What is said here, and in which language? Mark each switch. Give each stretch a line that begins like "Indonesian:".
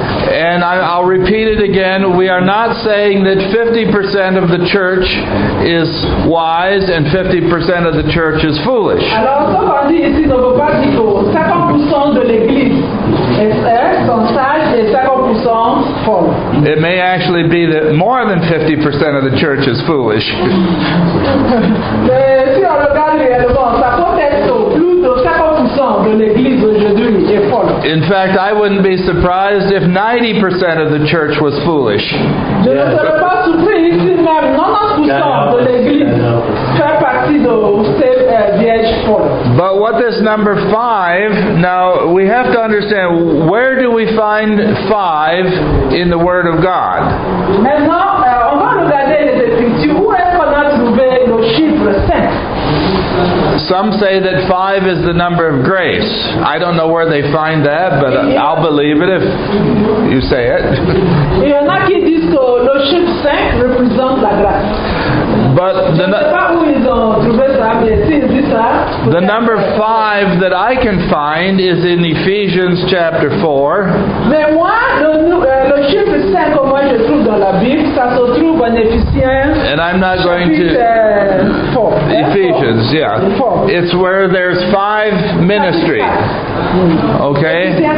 English: And I'll repeat it again. We are not saying that 50% of the church is wise and 50% of the church is foolish.
French: Alors, ce qu'on dit ici ne veut pas dire que 50% de l'église sont sages et 50% folles.
English: It may actually be that more than 50% of the church is foolish.
French: Mais si on regarde réellement, ça peut être plus de 50% de l'église aujourd'hui est folle.
English: In fact, I wouldn't be surprised if 90% of the church was foolish.
French: Je ne serais pas surpris si même 90% de l'église fait partie de ces vierges folles.
English: But what this number 5, now we have to understand, where do we find 5 in the Word of God?
French: Maintenant, on va regarder les Écritures. Où est-ce qu'on a trouvé le chiffre 5?
English: Some say that 5 is the number of grace. I don't know where they find that, but I'll believe it if you say it.
French: Il y en a qui disent que le chiffre 5 représente la grâce.
English: But
French: je ne sais pas où ils ont trouvé ça, mais s'ils disent ça,
English: the The number five that I can find is in Ephesians chapter 4.
French: Mais moi, le chiffre 5 que moi je trouve dans la Bible, ça se trouve en Ephésiens.
English: And I'm not going to... Ephesians, yeah. It's where there's five ministries. Okay?